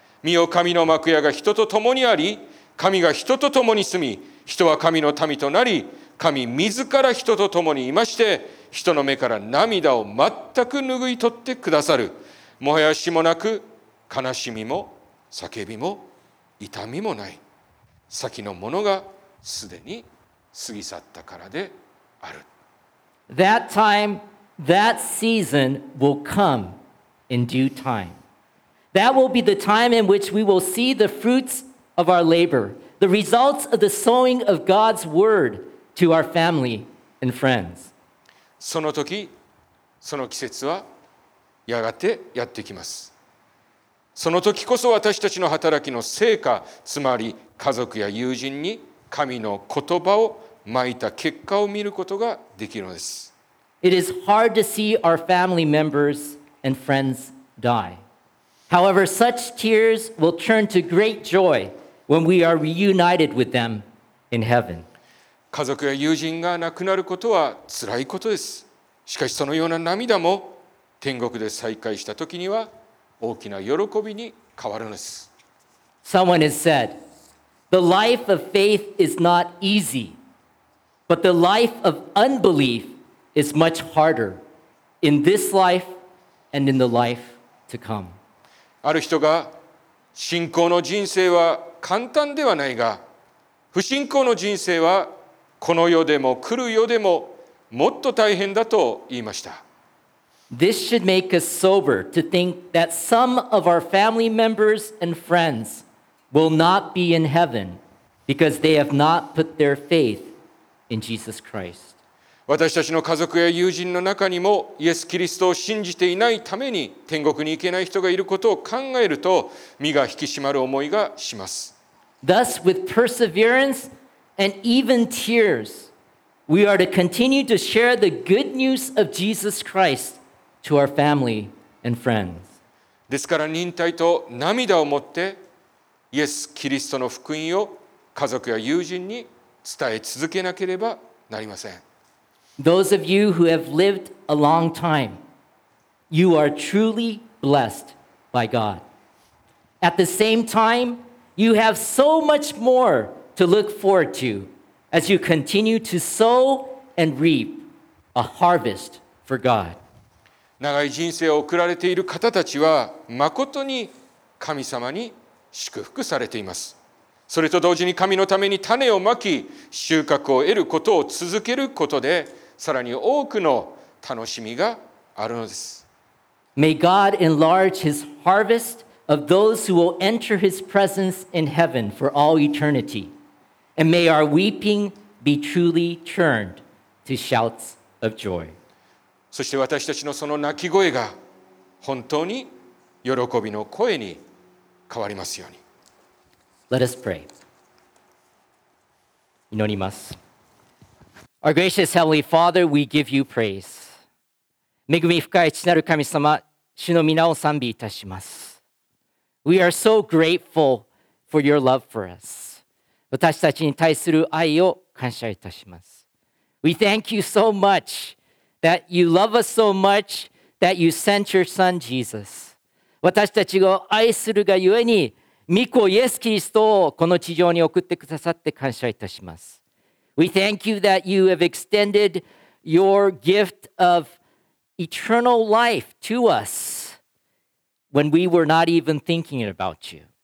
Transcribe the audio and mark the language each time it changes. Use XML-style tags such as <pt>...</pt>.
<ja>見よ、神の幕屋が人と共にあり、神が人と共に住み、人は神の民となり、神自ら人と共にいまして、人の目から涙を全く拭い取ってくださる。もはや死もなく、悲しみも叫びも痛みもない。先のものがすでに過ぎ去ったからである。</ja> <en>That time, that season will come in due time. That will be the time in which we will see the fruits of our labor, the results of the sowing of God's word to our family and friends.</en> <ja>その時、その季節はやがてやってきます。その時こそ私たちの働きの成果、つまり家族や友人に神の言葉を撒いた結果を見ることができるのです。</ja> <en>It is hard to see our family members and friends die. However, such tears will turn to great joy when we are reunited with them in heaven.</en> <ja>家族や友人が亡くなることは辛いことです。しかしそのような涙も天国で再会した時には大きな喜びに変わるんです。</ja> <en>Someone has said, the life of faith is not easy, but the life of unbelief is much harder in this life and in the life to come.</en> <ja>ある人が、信仰の人生は簡単ではないが、不信仰の人生はこの世でも来る世でももっと大変だと言いました。</ja> <en>This should make us sober to think that some of our family members and friends will not be in heaven because they have not put their faith in Jesus Christ.</en> <ja>私たちの家族や友人の中にもイエス・キリストを信じていないために天国に行けない人がいることを考えると身が引き締まる思いがします。</ja> <en>Thus, with perseverance, and even tears, we are to continue to share the good news of Jesus Christ to our family and friends.</en> <ja>ですから忍耐と涙をもってイエス・キリストの福音を家族や友人に伝え続けなければなりません。</ja> <en>Those of you who have lived a long time, you are truly blessed by God. At the same time, you have so much more to look forward to as you continue to sow and reap a harvest for God.</en> <ja>長い人生を送られている方たちは誠に神様に祝福されています。それと同時に神のために種をまき、収穫を得ることを続けることで、さらに多くの楽しみがあるのです。</ja> <en>May God enlarge his harvest of those who will enter his presence in heaven for all eternity. And may our weeping be truly turned to shouts of joy.</en> <ja>そして私たちのその泣き声が本当に喜びの声に変わりますように。</ja> <en>Let us pray.</en> <ja>祈ります。</ja> <en>Our gracious Heavenly Father, we give you praise.</en> <ja>恵み深い父なる神様、主の皆を賛美いたします。</ja> <en>We are so grateful for your love for us.</en> <ja>私たちに対する愛を感謝いたします。</ja> <en>We thank you so much that you love us so much that you sent your son Jesus.</en> <ja>私たちを愛するがゆえに、御子イエス・キリストをこの地上に送ってくださって感謝いたします。</ja> <en>We thank you that you have extended your gift of eternal life to us when we were not even thinking about you.</en>